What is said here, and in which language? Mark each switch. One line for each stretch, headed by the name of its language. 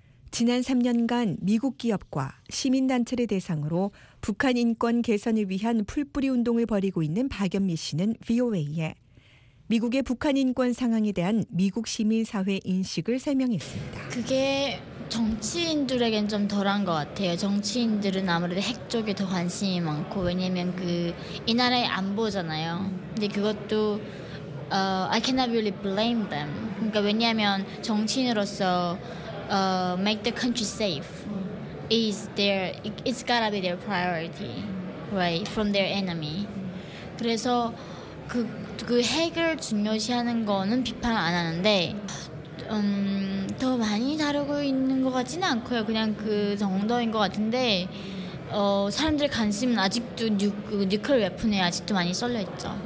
Korean: 지난 3년간 미국 기업과 시민단체를 대상으로 북한 인권 개선을 위한 풀뿌리 운동을 벌이고 있는 박연미 씨는 VOA에 미국의 북한 인권 상황에 대한 미국 시민사회 인식을 설명했습니다. 그게 정치인들에겐 좀 덜한 것 같아요. 정치인들은 아무래도 핵 쪽에 더 관심이 많고 왜냐면 그 이 나라의 안보잖아요. 근데 그것도
English: I cannot really blame them.
Korean: 그러니까 왜냐면 정치인으로서
English: make the country safe is their it's gotta be their priority, right? From their enemy.
Korean: 그래서 그 핵을 중요시하는 거는 비판 안 하는데 더 많이 다루고 있는 것 같지는 않고요. 그냥 그 정도인 것 같은데 사람들 관심은 아직도 뉴클 웨폰에 아직도 많이 쏠려 있죠.